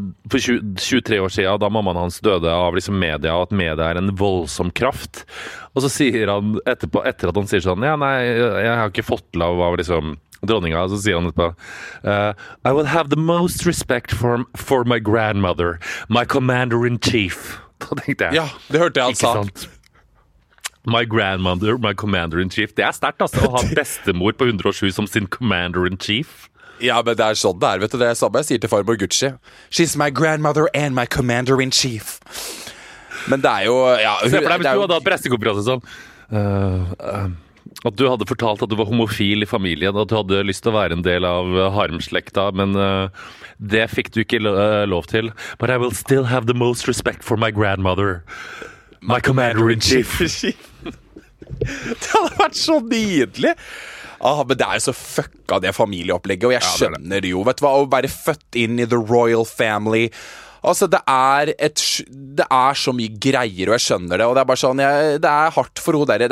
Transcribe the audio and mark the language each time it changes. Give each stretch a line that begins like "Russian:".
Norwegian: for 23 år siden da mammaen hans døde av liksom media, at media er en voldsom kraft, og så sier han etterpå, etter at han sier sånn, ja nei, jeg har ikke fått lov av liksom dronninga, så sier han etterpå,
English: I will have the most respect for my grandmother, my commander in chief.
Norwegian: Da tenkte jeg, ja, det hørte jeg han sa, ikke sant?
English: My grandmother, my commander in chief.
Norwegian: Det er sterkt altså, å ha bestemor på 107 som sin commander in chief. Ja, men det sånn det vet du, det samme jeg sier til farmor Gucci.
English: She's my grandmother and my commander-in-chief.
Norwegian: Men det jo, ja... Se på deg, hvis du hadde hatt pressekonferanse sånn. At du hadde fortalt at du var homofil i familien, at du hadde lyst til å være en del av harmslekta, men det fikk du ikke lov til.
English: But I will still have the most respect for my grandmother, my commander-in-chief.
Norwegian: Det hadde vært så nydelig. Ah, men det er jo så fucka det familieopplegget, og jeg skjønner det jo, vet du hva, å være født inn i
English: the royal family.
Norwegian: Altså, det er så mye greier, og jeg skjønner det, og det er bare sånn, det er hardt for henne der.